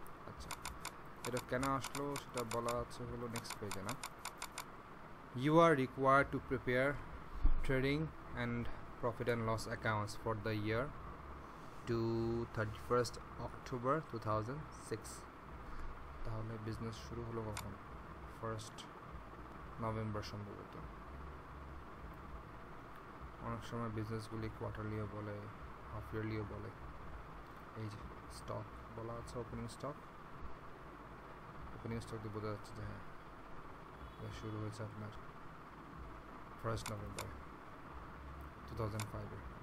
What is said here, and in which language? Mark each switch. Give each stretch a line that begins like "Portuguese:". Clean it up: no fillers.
Bangla: আচ্ছা, এটা কেন আসলো সেটা বলা আছে হলো নেক্সট পেজে না।
English: You are required to prepare trading and profit and loss accounts for the year to 31st October 2006।
Bangla: তাহলে বিজনেস শুরু হলো কখন? 1st November সম্ভবত। অনেক সময় বিজনেসগুলি কোয়ার্টারলিও বলে, হাফ ইয়ারলিও বলে। এই যে স্টক বলা আছে, ওপেনিং স্টক তো বোঝা যাচ্ছে যে হ্যাঁ, শুরু হয়েছে আপনার 1st November 2005-এ।